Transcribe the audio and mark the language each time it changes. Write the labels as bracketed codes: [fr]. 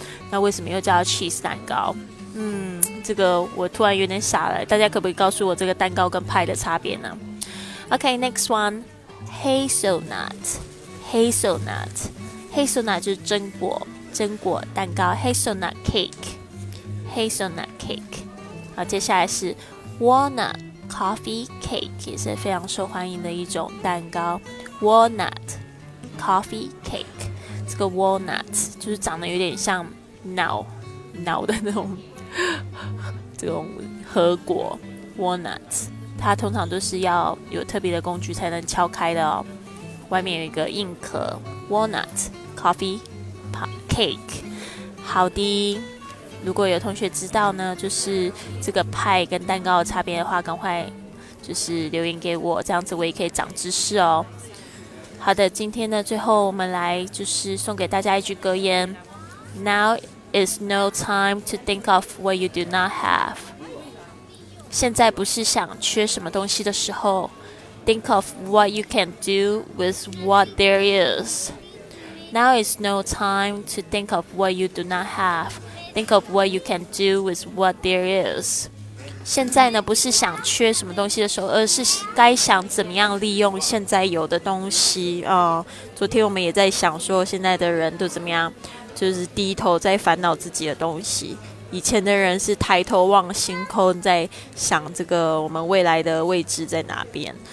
[zh] 那为什么又叫 cheese 蛋糕？这个我突然有点傻了，大家可不可以告诉我这个蛋糕跟派的差别呢？ [en] OK， next one， [zh] hazelnut， hazelnut， hazelnut 就是榛果蛋糕， hazelnut cake， [en] hazelnut cake。 [zh] 好，接下来是 walnut coffee cake， 也是非常受欢迎的一种蛋糕。 walnut coffee cake， 这个 walnut 就是长得有点像脑的那种这种核果 walnut， 它通常都是要有特别的工具才能敲开的哦。外面有一个硬壳 walnut coffee cake。好的，如果有同学知道呢，就是这个派跟蛋糕的差别的话，赶快就是留言给我，这样子我也可以长知识哦。好的，今天呢，最后我们来就是送给大家一句格言 ： [en] Now is no time to think of what you do not have。 [zh] 现在不是想缺什么东西的时候 ， [en] Think of what you can do with what there is。 Now is no time to think of what you do not have。 Think of what you can do with what there is。 [zh] 现在呢，不是想缺什么东西的时候，而是该想怎么样利用现在有的东西。昨天我们也在想说，现在的人都怎么样，就是低头在烦恼自己的东西。以前的人是抬头望星空，在想这个我们未来的位置在哪边。